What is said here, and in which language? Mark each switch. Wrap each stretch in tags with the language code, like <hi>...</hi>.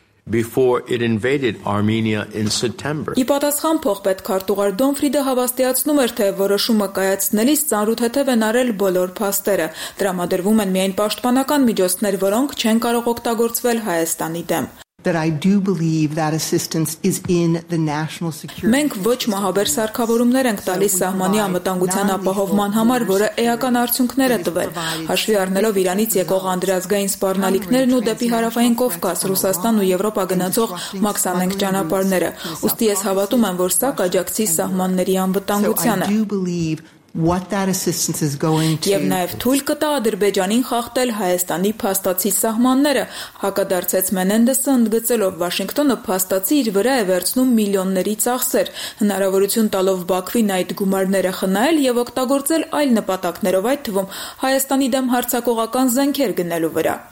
<en>Before it invaded Armenia in September.</en> <hy>Ի պատասխան փոխպետքարտուղար Դոնֆրիդը հավաստիացնում էր, թե որոշումը կայացնելիս ծանրութ հետև են արել բոլոր փաստերը։ Դրամադրվում են միայն պաշտպանական միջոցներ, որոնք չեն կարող օգտագործվել Հայաստանի դեմ։</hy> <en>That I do believe that assistance is in the national security.</en> <hy>Մենք ոչ մահաբեր սարքավորումներ ենք տալիս սահմանի անվտանգության ապահովման համար, որը էական արդյունքներ է տվել, հաշվի առնելով Իրանից եկող անդրազգային սպառնալիքներն ու դեպի Հարավային Կովկաս, Ռուսաստան ու Եվրոպա գնացող Մաքսանենք ճանապարհները։ Ուստի ես հավատում եմ, որ սա կաջակցի սահմանների անվտանգությանը։</hy> <en>what that assistance is going to.</en> <hy>Եվ նաև թույլ կտա Ադրբեջանին խախտել Հայաստանի փաստացի սահմանները, հակադարձեց Մենենդեսը, ընդգծելով Վաշինգտոնը փաստացի իր վրա է վերցնում միլիոնների ծախսեր, հնարավորություն տալով Բաքվին այդ գումարները խնայել եւ օգտագործել այլ նպատակներով, այդ թվում Հայաստանի դեմ հարցակողական զենքեր գնելու վրա.</hy>